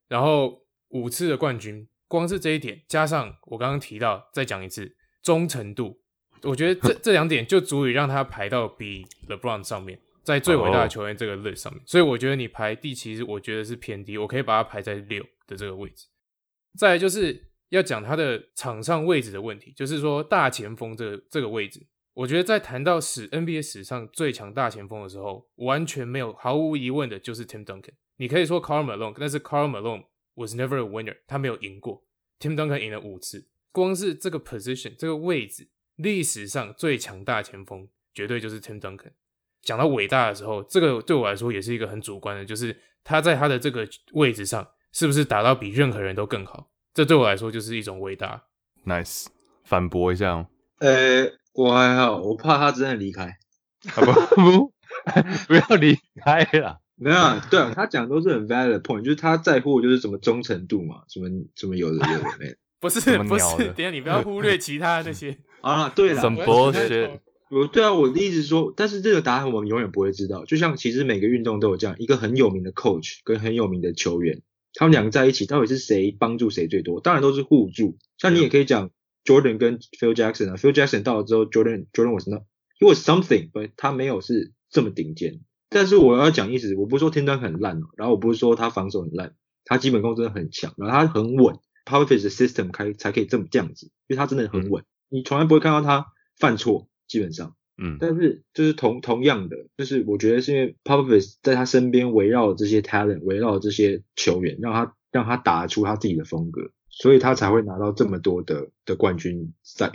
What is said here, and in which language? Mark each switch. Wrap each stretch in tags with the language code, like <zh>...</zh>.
<zh>然后5次的冠军，光是这一点加上我刚刚提到再讲一次忠诚度，我觉得这两点就足以让他排到比 LeBron 上面，在最伟大的球员这个 list 上面。所以我觉得你排第七我觉得是偏低，我可以把他排在6的这个位置。再来就是要讲他的场上位置的问题，就是说大前锋这个位置，我觉得在谈到史 NBA 史上最强大前锋的时候，完全没有毫无疑问的就是 Tim Duncan。你可以说 Karl Malone， 但是</zh> <en>Karl Malone was never a winner，</en> <zh>他没有赢过， Tim Duncan 赢了5次。光是这个 position 这个位置，历史上最强大前锋绝对就是 Tim Duncan。讲到伟大的时候，这个对我来说也是一个很主观的，就是他在他的这个位置上是不是打到比任何人都更好，这对我来说就是一种伟大。 Nice， 反驳一下哦。我还好，我怕他真的离开。不不要离开啦。没有，对啊，他讲的都是很 valid point， 就是他在乎就是什么忠诚度嘛，什么什么有的有的没。不是不是，等一下你不要忽略其他的那些。啊，对啦，什么 bullshit。对啊，我的意思说，但是这个答案我们永远不会知道。就像其实每个运动都有这样一个很有名的 coach 跟很有名的球员，他们两个在一起到底是谁帮助谁最多，当然都是互助。像你也可以讲 Jordan 跟 Phil Jackson 啊， Phil Jackson 到了之后</zh> <en>Jordan was not he was something，</en> <zh>but 他没有是这么顶尖。但是我要讲意思，我不是说天端很烂，然后我不是说他防守很烂，他基本功真的很强，然后他很稳， Popovich 的 system 才可以这样子，因为他真的很稳，你从来不会看到他犯错基本上。但是就是同样的，就是我觉得是因为 Popovich 在他身边围绕这些 talent， 围绕这些球员，让他打出他自己的风格，所以他才会拿到这么多的冠军赛。</zh>